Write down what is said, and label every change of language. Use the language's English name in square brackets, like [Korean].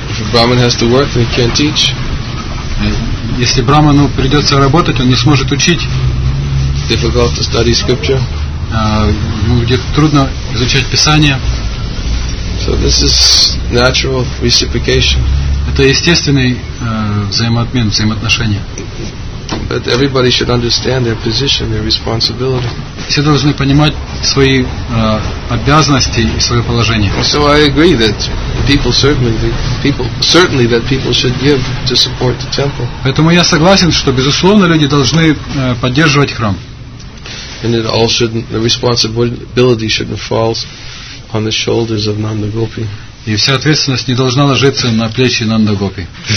[English] If a Brahmin has to work, then he can't teach. [Russian] Если брахману придется работать, он не сможет учить. [English] Difficult to study scripture. [Russian] Ему будет трудно изучать Писание. [English] So this is natural reciprocation. [Russian] Это естественный взаимообмен, взаимоотношения. [English] But everybody should understand their position, their responsibility. [Russian] Все должны понимать свои обязанности и свое положение. [English] So I agree that people certainly should give to support the temple. [Russian] Поэтому я согласен, что безусловно люди должны поддерживать храм. [English] And it all should, the responsibility shouldn't fall on the shoulders of Nanda Gopi. [Russian] И вся ответственность не должна ложиться на плечи Нанда Гопи.